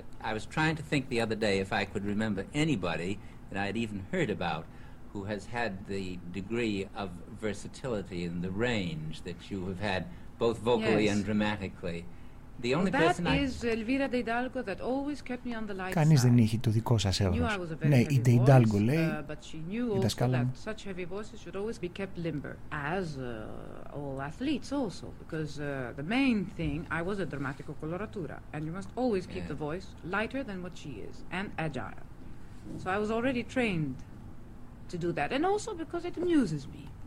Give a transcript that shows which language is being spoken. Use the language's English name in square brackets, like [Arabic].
[English] I was trying to think the other day if I could remember anybody that I had even heard about who has had the degree of versatility and the range that you have had both vocally yes. and dramatically. The only well, person that I... is Elvira de Hidalgo that always kept me on the light side. [Greek] Κανείς δεν είχε το δικό σας έβρος. Ναι, η de Hidalgo λέει, η δασκάλα μου. [English] Such heavy voices should always be kept limber, as all athletes also, because the main thing, I was a dramatico coloratura, and you must always keep yeah. the voice lighter than what she is, and agile. So I was already trained to do that, and also because it amuses me.